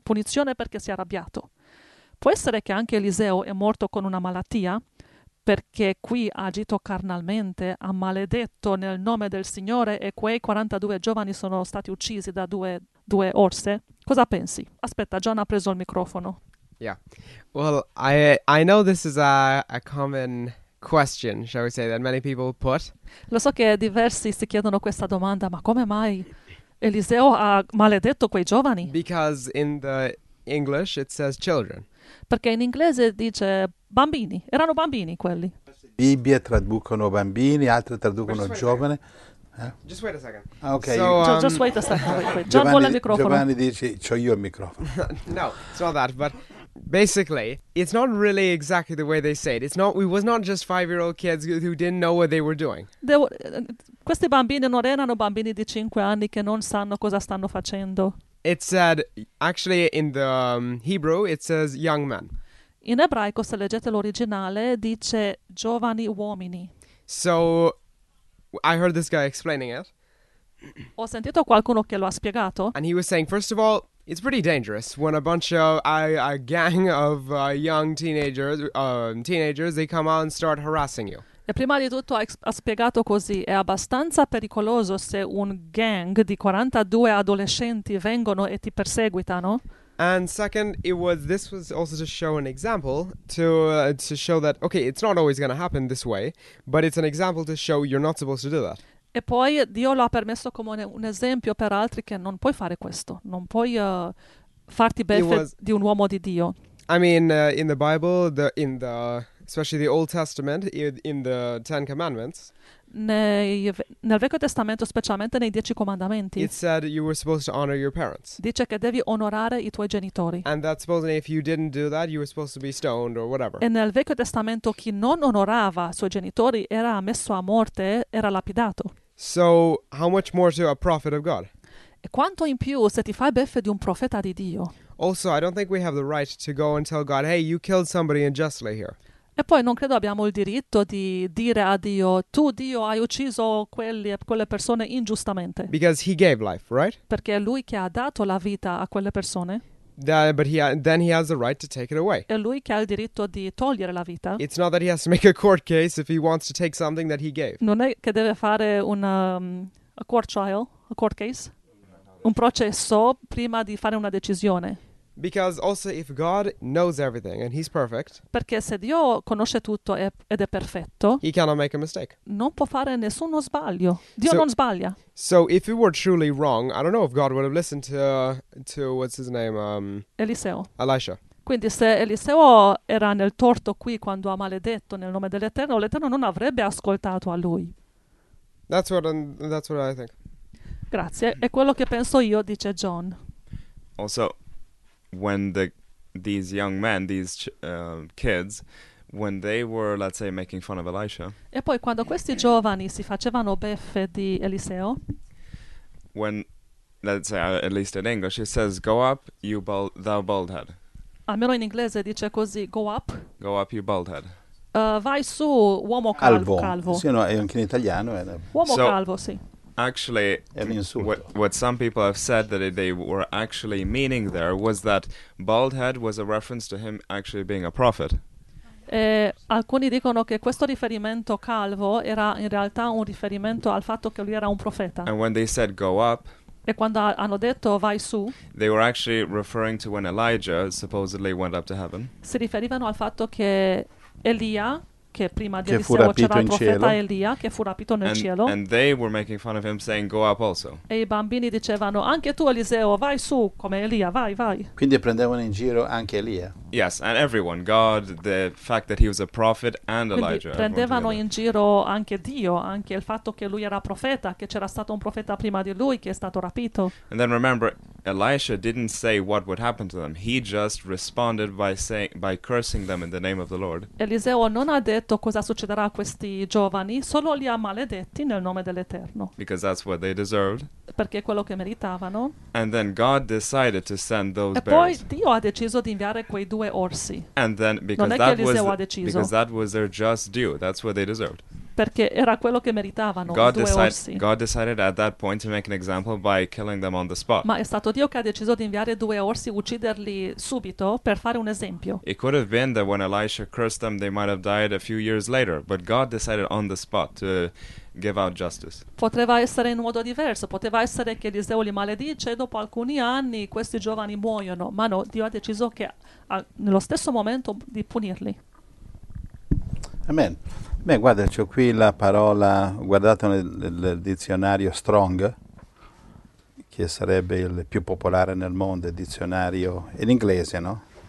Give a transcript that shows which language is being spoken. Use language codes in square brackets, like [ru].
[it] Punizione perché si è arrabbiato. Può essere che anche Eliseo è morto con una malattia perché qui ha agito carnalmente, ha maledetto nel nome del Signore e quei 42 giovani sono stati uccisi da due orse. Cosa pensi? Aspetta, John ha preso il microfono. [en] Yeah. Well, I know this is a common question, shall we say, that many people put. [it] Lo so che diversi si chiedono questa domanda, ma come mai Eliseo ha maledetto quei giovani? [en] Because in the English it says children. [it] Perché in inglese dice bambini, erano bambini quelli. Bibbie traducono bambini, altre traducono giovane. [en] Just wait a second. Okay. So, just wait a second. [it] John vuole il microfono. Giovanni dice, c'ho io il microfono. [en] No, it's not that, but basically, it's not really exactly the way they say it. It was not just five-year-old kids who didn't know what they were doing. [it] Questi bambini non erano bambini di 5 anni che non sanno cosa stanno facendo. [en] It said, actually in the Hebrew, it says young men. [it] In ebraico, se leggete l'originale, dice giovani uomini. [en] So, I heard this guy explaining it. [it] Ho sentito qualcuno che lo ha spiegato. [en] And he was saying, first of all, it's pretty dangerous when a gang of young teenagers, they come out and start harassing you. [it] E prima di tutto ha spiegato così, è abbastanza pericoloso se un gang di 42 adolescenti vengono e ti perseguitano. [en] And second, this was also to show an example to show that, okay, it's not always going to happen this way, but it's an example to show you're not supposed to do that. [it] E poi Dio lo ha permesso come un esempio per altri che non puoi fare questo, non puoi farti beffe di un uomo di Dio. [en] I mean, in the Bible, especially the Old Testament, in the Ten Commandments, [it] nel Vecchio Testamento, specialmente nei Dieci Comandamenti, [en] it said you were supposed to honor your parents. [it] Dice che devi onorare i tuoi genitori. [en] And that supposedly if you didn't do that, you were supposed to be stoned or whatever. [it] E nel Vecchio Testamento chi non onorava i suoi genitori era messo a morte, era lapidato. [en] So how much more to a prophet of God? [it] E quanto in più se ti fai beffe di un profeta di Dio? [en] Also, I don't think we have the right to go and tell God, hey, you killed somebody unjustly here. [it] E poi non credo abbiamo il diritto di dire a Dio, tu Dio hai ucciso quelle persone ingiustamente. [en] Because he gave life, right? [it] Perché è lui che ha dato la vita a quelle persone. [en] But then he has the right to take it away. [it] È lui che ha il diritto di togliere la vita. [en] It's not that he has to make a court case if he wants to take something that he gave. [it] Non è che deve fare [en] a court trial, a court case, [it] un processo prima di fare una decisione. [en] Because also if God knows everything and he's perfect. [it] Perché se Dio conosce tutto ed è perfetto. [en] He cannot make a mistake. [it] Non può fare nessuno sbaglio. Dio non sbaglia. [en] So if it were truly wrong, I don't know if God would have listened to what's his name? [it] Eliseo. [en] Elisha. [it] Quindi se Eliseo era nel torto qui quando ha maledetto nel nome dell'Eterno, l'Eterno non avrebbe ascoltato a lui. [en] That's what I think. [it] Grazie. È quello che penso io, dice John. [en] Also, when these young men, these kids, when they were, let's say, making fun of Elisha. [it] E poi quando questi giovani si facevano beffe di Eliseo. [en] When, let's say, at least in English, it says, "Go up, you thou bald head." [it] Almeno in inglese dice così: [en] "Go up." Go up, you bald head. [it] Vai su, uomo calvo. Calvo. Sì, no, è anche in italiano. Uomo calvo, sì. [en] Actually, what some people have said that they were actually meaning there was that bald head was a reference to him actually being a prophet. [it] Alcuni dicono che questo riferimento calvo era in realtà un riferimento al fatto che lui era un profeta. [en] And when they said go up, [it] e quando hanno detto vai su, [en] they were actually referring to when Elijah supposedly went up to heaven. [it] Si riferivano al fatto che Elia, che prima di Eliseo c'era il profeta Elia, che fu rapito nel cielo. [en] And they were making fun of him saying, go up also. [it] E i bambini dicevano, anche tu Eliseo, vai su, come Elia, vai, vai. Quindi prendevano in giro anche Elia. [en] Yes, and everyone, God, the fact that he was a prophet and [it] quindi [en] Elijah. [it] Prendevano in giro anche Dio, anche il fatto che lui era profeta, che c'era stato un profeta prima di lui che è stato rapito. [en] And then remember, Elisha didn't say what would happen to them. He just responded by cursing them in the name of the Lord. [it] Eliseo non ha detto cosa succederà a questi giovani, solo li ha maledetti nel nome dell'Eterno. [en] Because that's what they deserved. [it] Perché è quello che meritavano. [en] And then God decided to send those bears. [it] E poi Dio ha deciso di inviare quei due orsi. [en] And then because [it] non è che Eliseo ha deciso. [en] Because that was their just due. That's what they deserved. [it] Perché era quello che meritavano, [en] God [it] due [en] decided, [it] orsi. [en] God decided at that point to make an example by killing them on the spot. [it] Ma è stato Dio che ha deciso di inviare due orsi, ucciderli subito, per fare un esempio. [en] It could have been that when Elisha cursed them, they might have died a few years later, but God decided on the spot to give out justice. [it] Poteva essere in modo diverso, poteva essere che Eliseo li maledice e dopo alcuni anni questi giovani muoiono, ma no, Dio ha deciso che nello stesso momento di punirli. Amen. Beh, guarda, c'ho qui la parola, guardate nel dizionario Strong, che sarebbe il più popolare nel mondo, il dizionario in inglese, no?